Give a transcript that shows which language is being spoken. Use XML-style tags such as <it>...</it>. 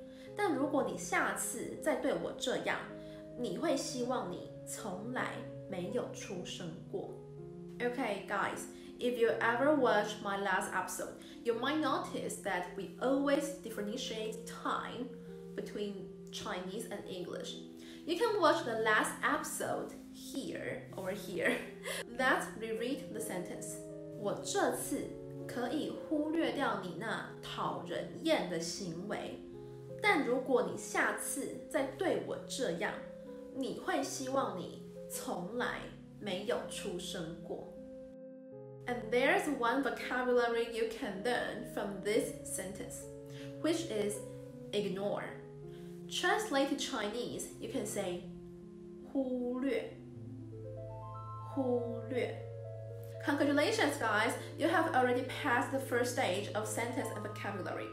<zh>我这次可以忽略掉你那讨人厌的行为，但如果你下次再对我这样， 你会希望你从来没有出生过。</zh> <en>Okay guys, if you ever watched my last episode, you might notice that we always differentiate time between Chinese and English. You can watch the last episode here or here. Let's reread the sentence.</en> <zh>我这次可以忽略掉你那讨人厌的行为, 但如果你下次再对我这样，你会希望你从来没有出生过。</zh> <en>And there's one vocabulary you can learn from this sentence, which is ignore. Translate to Chinese, you can say 忽略忽略 Congratulations guys, you have already passed the first stage of sentence and vocabulary.</en>